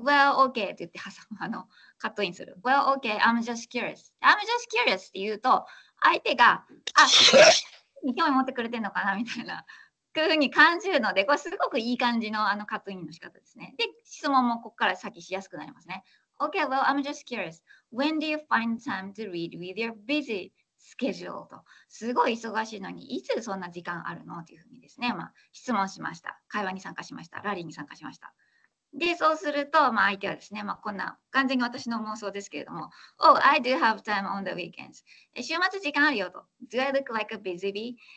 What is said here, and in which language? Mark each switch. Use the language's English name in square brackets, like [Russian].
[English] Well, okay [Japanese] って言って挟むカットインする。 [English] Well, okay, I'm just curious. I'm just curious [Japanese] って言うと、相手が興味持ってくれてんのかなみたいなく風に感じるので、これすごくいい感じのあのカットインの仕方ですね。で、質問もここから先しやすくなりますね。 [English] Okay, well, I'm just curious. When do you find time to read with your busy schedule? [Japanese] と、すごい忙しいのに、いつそんな時間あるのというふうにですね、まあ、質問しました。会話に参加しました。ラリーに参加しました。で、そうすると、まあ、相手はですね、まあ、こんな、完全に私の妄想ですけれども、 [English] Oh, I do have time on the weekends. [Japanese] 週末時間あるよと。 [English] Do I look like a busy bee?